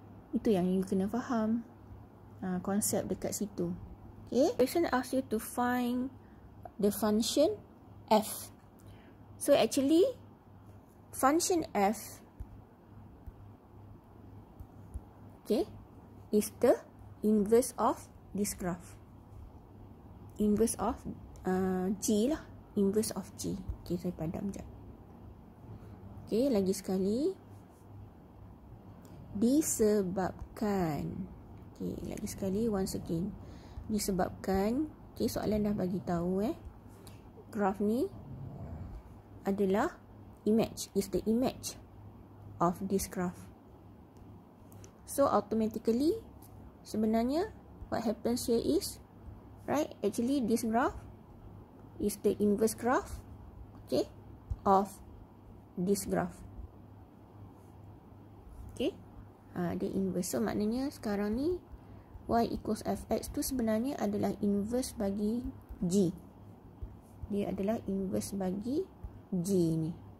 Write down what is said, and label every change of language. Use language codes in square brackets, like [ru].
[ms] Itu yang you kena faham konsep dekat situ. [en] Okay, question asks you to find the function f. So actually, function f, okay, is the inverse of this graph. Inverse of G lah. Inverse of G. Okay, [ms] saya padam jap. Okay, lagi sekali. Disebabkan, okay, soalan dah bagi tahu graph ni adalah [en] is the image of this graph. So automatically, sebenarnya what happens here is, right, actually this graph is the inverse graph, okay, of this graph. Okay, the inverse. [ms] So maknanya sekarang ni y equals fx tu sebenarnya adalah inverse bagi G. Dia adalah inverse bagi G ni.